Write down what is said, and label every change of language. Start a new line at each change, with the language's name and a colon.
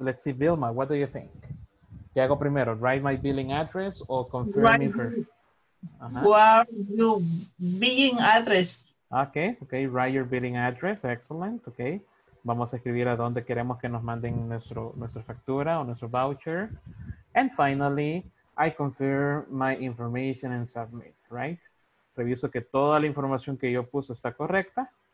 English: Let's see, Vilma, what do you think?
Spanish: ¿Qué hago primero?
English: Write my billing address or confirm it first? What your billing address? Okay, okay. Write your billing address. Excellent. Okay.
Spanish: Vamos a escribir a dónde queremos que nos manden nuestra factura o nuestro voucher.
English: And finally, I confirm my information and submit, right?
Spanish: Reviso que toda la información que yo puse está correcta.